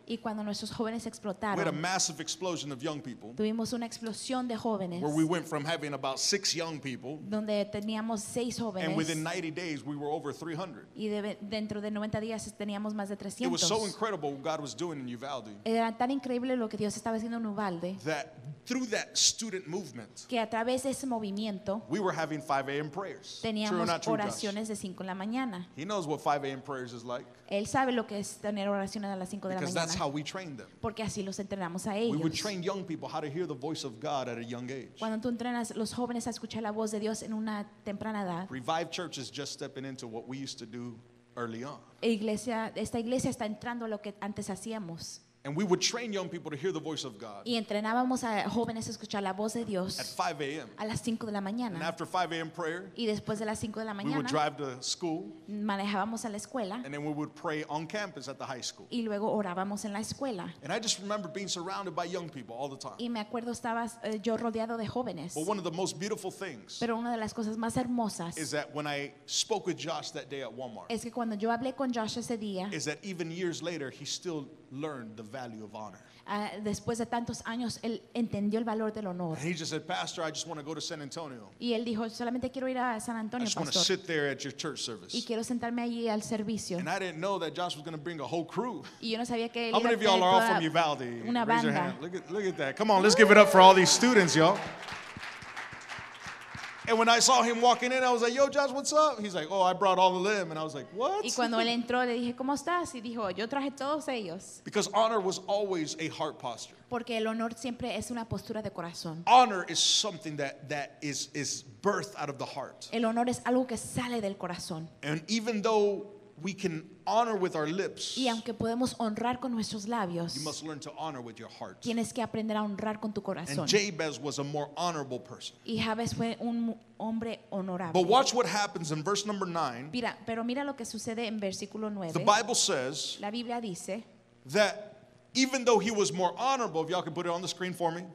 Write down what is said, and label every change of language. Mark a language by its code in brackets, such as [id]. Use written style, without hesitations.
[es] Y cuando nuestros jóvenes explotaron. [en] We had a massive explosion of young people. [es] Tuvimos una explosión de jóvenes. [en] Where we went from having about 6 young people. [es] Donde teníamos 6 jóvenes. [en] And within 90 days we were over 300. [es] Y dentro de 90 días teníamos más de 300. [en] It was so incredible what God was doing in Uvalde. [es] Era tan increíble lo que Dios estaba haciendo en Uvalde. [en] That through that student movement. [es] Que a través de ese movimiento. [en] We were having 5 a.m. prayers. [es] Teníamos oraciones de 5 en la mañana. [en] He knows what 5 a.m. prayers is like. [es] Él sabe lo que es tener oraciones a las 5 de la mañana. [en] How we train them. [es] Porque así los entrenamos a ellos. [en] We would train young people how to hear the voice of God at a young age. [es] Cuando tú entrenas los jóvenes a escuchar la voz de Dios en una temprana edad. [en] Revive Church is just stepping into what we used to do early on. [es] Iglesia, esta iglesia está entrando a lo que antes hacíamos. [en] And we would train young people to hear the voice of God. [es] Y entrenábamos a jóvenes a escuchar la voz de Dios. [en] At 5 a.m. [es] A las 5 de la mañana. [en] And after 5 a.m. prayer. [es] Y después de las 5 de la mañana. [en] We would drive to school. [es] Manejábamos a la escuela. [en] And then we would pray on campus at the high school. [es] Y luego orábamos en la escuela. [en] And I just remember being surrounded by young people all the time. [es] Y me acuerdo estaba yo rodeado de jóvenes. [en] But one of the most beautiful things. [es] Pero una de las cosas más hermosas. [en] Is that when I spoke with Josh that day at Walmart. [es] Es que cuando yo hablé con Josh ese día. [en] Is that even years later he still learned the value of honor. [es] Después de tantos años, él entendió el valor del honor. [en] And he just said, Pastor, I just want to go to San Antonio. [es] Y él dijo, solamente quiero ir a San Antonio, [en] Pastor. I just want to sit there at your church service. [es] Y quiero sentarme allí al servicio. [en] And I didn't know that Josh was going to bring a whole crew. [es] Y yo no sabía que él [en] How many of y'all are all from Uvalde? [es] Una banda. [en] Raise your hand. Look at that. Come on, let's give it up for all these students, y'all. And when I saw him walking in, I was like, yo, Josh, what's up? He's like, oh, I brought all of them. And I was like, what? [es] Y cuando él entró, le dije, ¿cómo estás? Y dijo, yo traje todos ellos. [en] Because honor was always a heart posture. [es] Porque el honor siempre es una postura de corazón. [en] Honor is something that is birthed out of the heart. [es] El honor es algo que sale del corazón. [en] And even though we can honor with our lips. [es] Y aunque podemos honrar con nuestros labios. [en] You must learn to honor with your heart. [es] Tienes que aprender a honrar con tu corazón. [en] And Jabez was a more honorable person. [es] Y Jabez fue un hombre honorable. [en] But watch what happens in verse number 9. [es] Mira, pero mira lo que sucede en versículo 9. [en] The Bible says. [es] La Biblia dice. [en] That even though he was more honorable, if y'all can put it on the screen for me.